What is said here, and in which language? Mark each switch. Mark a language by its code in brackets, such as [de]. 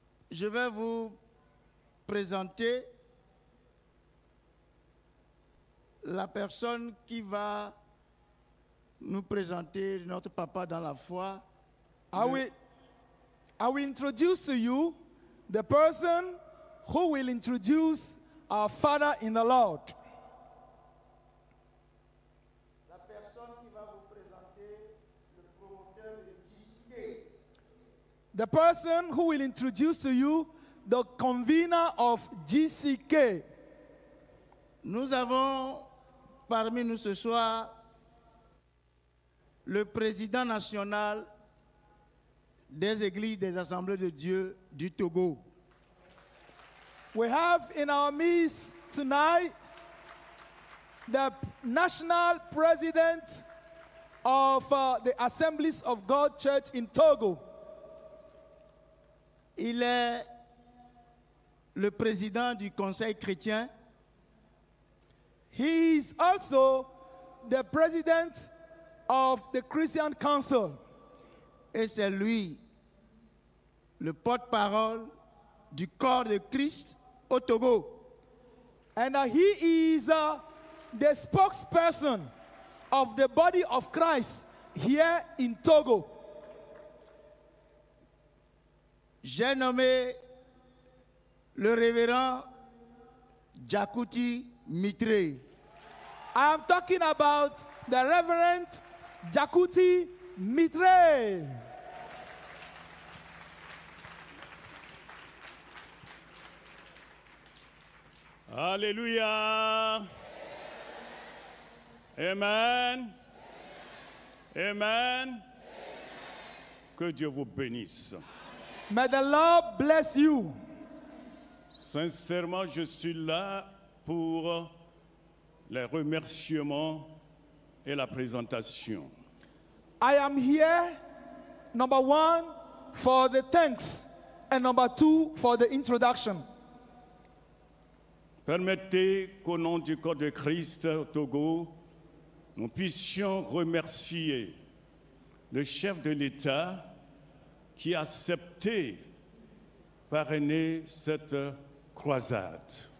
[fr] Je vais vous présenter la personne qui va nous présenter notre papa dans la foi. [en] I will introduce to you the person who will introduce our father in the Lord. [fr] La personne qui va vous présenter le promoteur de Jésus-Christ. [en] The person who will introduce to you the convener of GCK. [fr] Nous avons parmi nous ce soir le président national des églises des assemblées de Dieu du Togo. [en] We have in our midst tonight the national president of the Assemblies of God Church in Togo. [fr] Il est le président du Conseil chrétien. [en] He is also the president of the Christian Council. [fr] Et c'est lui le porte-parole du corps de Christ au Togo. [en] And he is the spokesperson of the body of Christ here in Togo. [fr] J'ai nommé le révérend Jakuti Mitre. [en] I'm talking about the Reverend Jakuti Mitre. Alleluia. Amen. Amen. Amen. Amen. [fr] Que Dieu vous bénisse. [en] May the Lord bless you. [fr] Sincèrement, je suis là pour les remerciements et la présentation. [en] I am here, number one, for the thanks, and number two, for the introduction. [fr] Permettez qu'au nom du corps de Christ au Togo, nous puissions remercier le chef de l'État qui a accepté parrainer cette croisade.